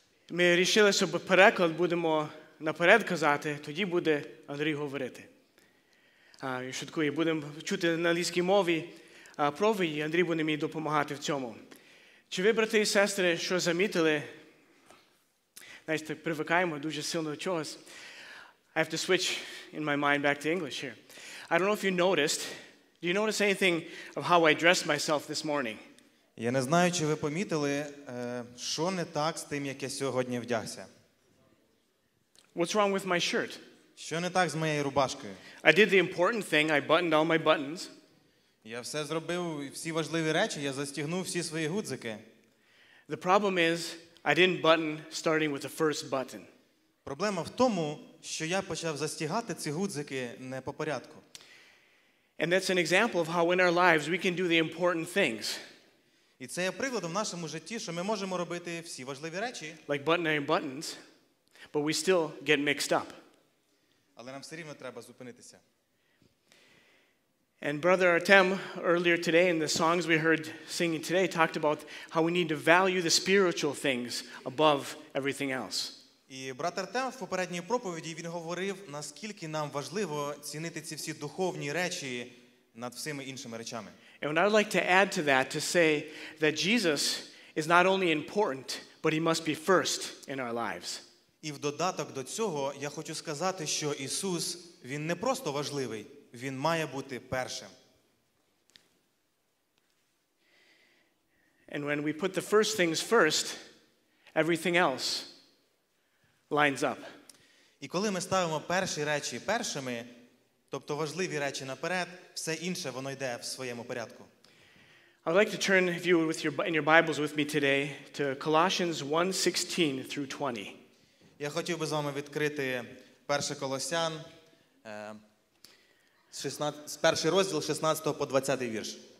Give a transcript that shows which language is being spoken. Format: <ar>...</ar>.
<uk>Ми вирішили, щоб переклад будемо наперед казати, тоді буде Андрій говорити. І будемо чути на англійській мові проповідь, і Андрій буде мені допомагати в цьому. Чи ви, брати і сестри, що замітили? Знаєте, привикаємо дуже сильно до чогось.</uk> <en>I have to switch in my mind back to English here. I don't know if you noticed. Do you notice anything of how I dressed myself this morning?</en> <uk>Я не знаю, чи ви помітили, що не так з тим, як я сьогодні вдягся.</uk> <en>What's wrong with my shirt?</en> <uk>Що не так з моєю рубашкою?</uk> <en>I did the important thing, I buttoned all my buttons.</en> <uk>Я все зробив, всі важливі речі, я застігнув всі свої гудзики.</uk> <en>The problem is, I didn't button starting with the first button.</en> <uk>Проблема в тому, що я почав застігати ці гудзики не по порядку.</uk> <en>And that's an example of how in our lives we can do the important things.</en> <uk>І це є прикладом в нашому житті, що ми можемо робити всі важливі речі.</uk> <en>Like buttoning buttons, but we still get mixed up.</en> <uk>Але нам все рівно треба зупинитися.</uk> <en>And brother Artem earlier today in the songs we heard singing today talked about how we need to value the spiritual things above everything else.</en> <uk>І брат Артем в попередній проповіді він говорив, наскільки нам важливо цінити ці всі духовні речі над всіми іншими речами.</uk> <en>And I would like to add to that to say that Jesus is not only important, but he must be first in our lives.</en> <uk>І в додаток до цього я хочу сказати, що Ісус, він не просто важливий, він має бути першим.</uk> <en>And when we put the first things first, everything else lines up.</en> <uk>І коли ми ставимо перші речі першими, тобто важливі речі наперед, все інше воно йде в своєму порядку.</uk> <en>I'd like to turn if you with your in your Bibles with me today to Colossians 1:16 through 20.</en> <uk>Я хотів би з вами відкрити перше Колосян, перший розділ 16 по 20 вірш.</uk>